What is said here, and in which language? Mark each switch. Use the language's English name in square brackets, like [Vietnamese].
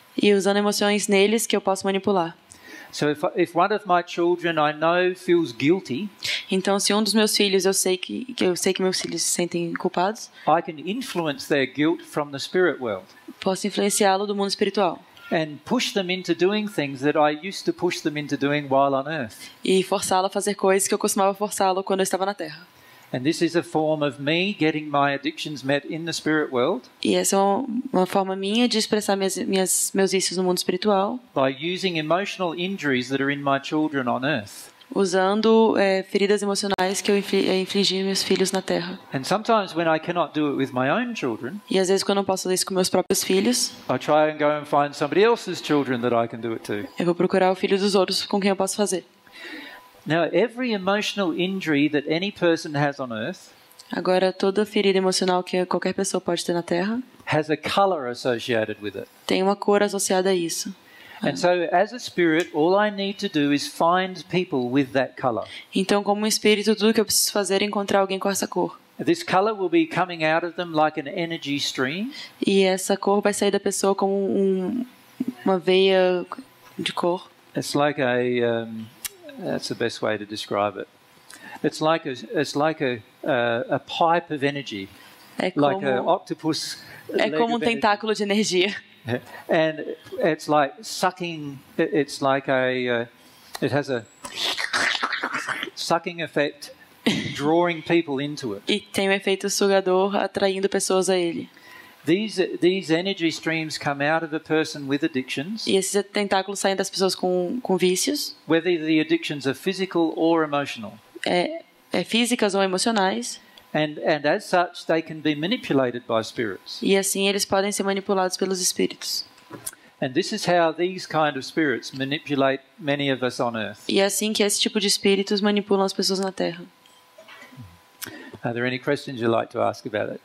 [Portuguese] E usando emoções neles que eu posso manipular. [English] So if one of my children I know feels guilty, [Portuguese] então se um dos meus filhos eu sei que meus filhos se sentem culpados, [English] I can influence their guilt from the spirit world. [Portuguese] Posso influenciá-lo do mundo espiritual. [English] And push them into doing things that I used to push them into doing while on earth. [Portuguese] E forçá-lo a fazer coisas que eu costumava forçá-lo quando eu estava na Terra. [English] And this is a form of me getting my addictions met in the spirit world. [Portuguese] E essa é uma forma minha de expressar meus vícios no mundo espiritual. [English] By using emotional injuries that are in my children on earth. [Portuguese] Usando feridas emocionais que eu infligi meus filhos na Terra. [English] And sometimes when I cannot do it with my own children. [Portuguese] E às vezes quando eu não posso fazer isso com meus próprios filhos. [English] I try and go and find somebody else's children that I can do it to. [Portuguese] Eu vou procurar o filho dos outros com quem eu posso fazer. [English] Now every emotional injury that any person has on earth, [Portuguese] agora toda ferida emocional que qualquer pessoa pode ter na Terra, [English] has a color associated with it. [Portuguese] Tem uma cor associada a isso. [English] And so as a spirit, all I need to do is find people with that color. [Portuguese] Então como espírito, tudo que eu preciso fazer é encontrar alguém com essa cor. [English] This color will be coming out of them like an energy stream. [Portuguese] E essa cor vai sair da pessoa como uma veia de cor. [English] It's like a that's the best way to describe it. It's like a pipe of energy. [Portuguese] É como, [English] like an octopus. [Portuguese] É como um tentáculo de energia. [English] And it's like sucking. It's like a. It has a sucking effect, drawing people into it. [Portuguese] E tem um efeito sugador, atraindo pessoas a ele. [English] These energy streams come out of a person with addictions. [Portuguese] E esses tentáculos saem das pessoas com vícios. [English] Whether the addictions are physical or emotional. [Portuguese] É físicas ou emocionais. [English] And as such, they can be manipulated by spirits. [Portuguese] E assim eles podem ser manipulados pelos espíritos. [English] And this is how these kind of spirits manipulate many of us on earth. [Portuguese] E assim que esse tipo de espíritos manipulam as pessoas na Terra. [English] Are there any questions you'd like to ask about it?